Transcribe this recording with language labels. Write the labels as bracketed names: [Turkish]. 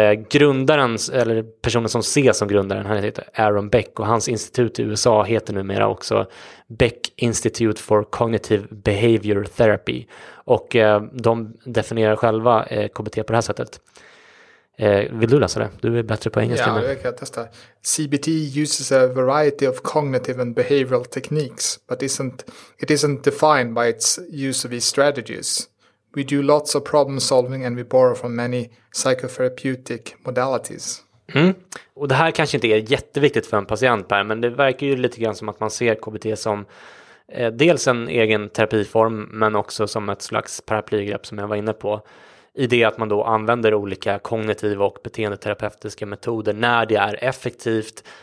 [Swedish] Grundaren, eller personen som ses som grundaren, han heter Aaron Beck, och hans institut i USA heter numera också Beck Institute for Cognitive Behavior Therapy. Och de definierar själva KBT på det här sättet. Vill du läsa det? Du är bättre på engelska. Ja, jag kan testa. [English] CBT uses a variety of cognitive and behavioral techniques, but it isn't defined by its use of these strategies. We do lots of problem solving and we borrow from many psychotherapeutic modalities. Mm. [Swedish] Och det här kanske inte är jätteviktigt för en patient, Per, men det verkar ju lite grann som att man ser KBT som dels en egen terapiform, men också som ett slags paraplygrepp, som jag var inne på. I det att man då använder olika kognitiva och beteendeterapeutiska metoder när det är effektivt.